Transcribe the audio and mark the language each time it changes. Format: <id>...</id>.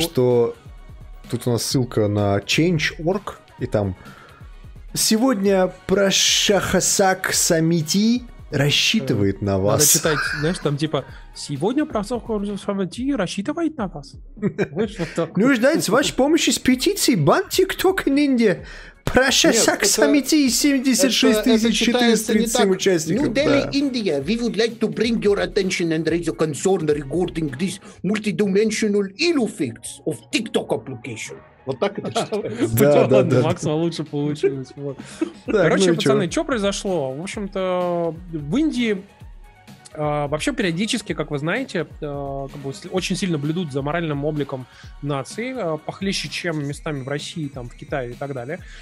<ru>что тут у нас ссылка на Change.org, и там сегодня Прашахасак Самити рассчитывает на вас. Надо читать, знаешь, там типа сегодня Прашахасак Самити рассчитывает на вас. Не ждать с вашей помощи с петицией бан ТикТок в Индии. Прощай, Саксамити, 76 437 участников.</ru> <en>New Delhi,</en> <ru>да.</ru> <en>India. We would like to bring your attention and raise your concern regarding this multidimensional ill effects of TikTok application.</en> <ru>Вот так это читается. Да, да, да. Максима лучше получилось. Короче, пацаны, что произошло? В общем-то, в Индии вообще периодически, как вы знаете, как бы очень сильно блюдут за моральным обликом нации, похлеще, чем местами в России, там, в Китае и так далее.</ru>